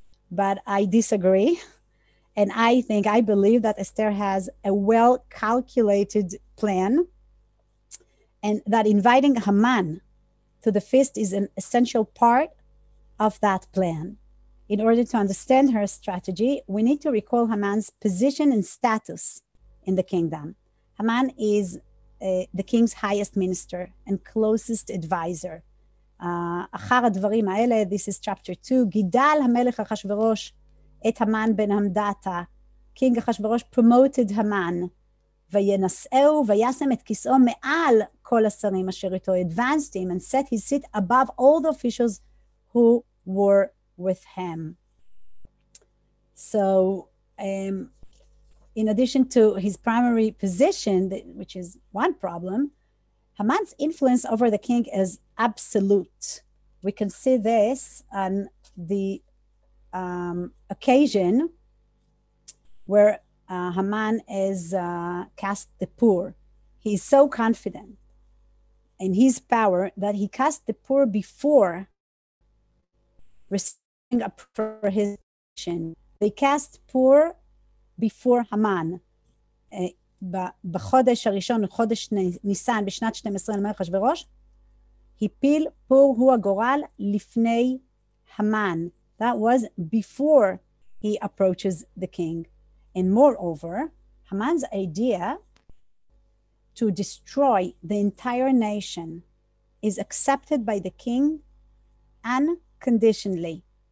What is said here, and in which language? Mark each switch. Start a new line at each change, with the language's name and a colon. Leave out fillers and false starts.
English: But I disagree. And I believe that Esther has a well-calculated plan, and that inviting Haman to the feast is an essential part of that plan. In order to understand her strategy, we need to recall Haman's position and status in the kingdom. Haman is the king's highest minister and closest advisor.
Hebrew: אחר הדברים האלה,
English: this is chapter 2,
Hebrew: גידל המלך אחשוורוש את המן בן המדתה.
English: קינג אחשוורוש promoted המן,
Hebrew: וינשאו וישם את כיסאו מעל כל השרים אשר איתו,
English: advanced him and set his seat above all the officials who were with him. So in addition to his primary position, which is one problem, Haman's influence over the king is absolute. We can see this on the occasion where Haman is cast the poor. He is so confident in his power that he cast the poor before receiving a promotion. They cast poor before Haman.
Hebrew: בחודש הראשון, חודש ניסן, בשנת 12 למלך אחשוורוש, הפיל פור הוא הגורל לפני המן.
English: That was before he approaches the king. And moreover, Haman's idea to destroy the entire nation is accepted by the king unconditionally.